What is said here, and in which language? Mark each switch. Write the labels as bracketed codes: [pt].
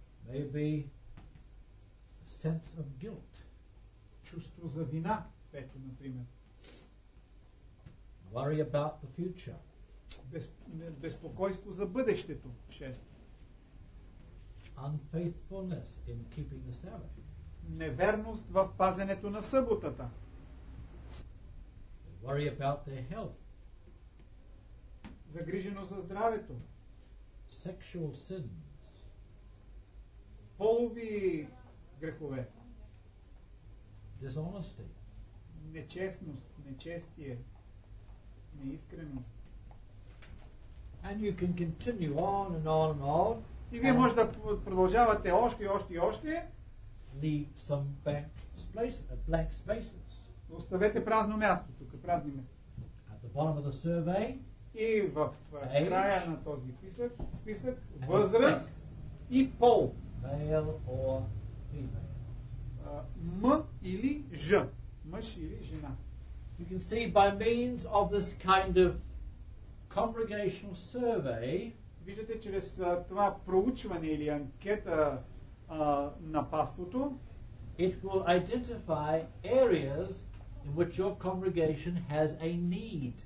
[en] Maybe a sense of guilt. [bg] Чувство за вина, пето, например. [en] Worry about the future. [bg] Безпокойство за бъдещето, шесто. [en] Unfaithfulness in keeping the Sabbath. [bg] Неверност в пазенето на съботата. [en] They worry about their health. [bg] Загрижено за здравето. [en] Sexual sins. [bg] Полови грехове. [en] Dishonesty. [bg] Нечестност, нечестие, неискрено. [en] And you can continue on and on and on. [bg] И вие може да продължавате още и още и още. [en] Leave some blank space, blank spaces. [bg] Оставете празно място тук, празни места. [en] At the bottom of the survey. [bg] И в края на този списък възраст и пол. [en] Male or female. [bg] М или Ж. Мъж или жена. [en] You can see by means of this kind of congregational survey. [bg] Виждате чрез това проучване или анкета на паството. [en] It will identify areas in which your congregation has a need.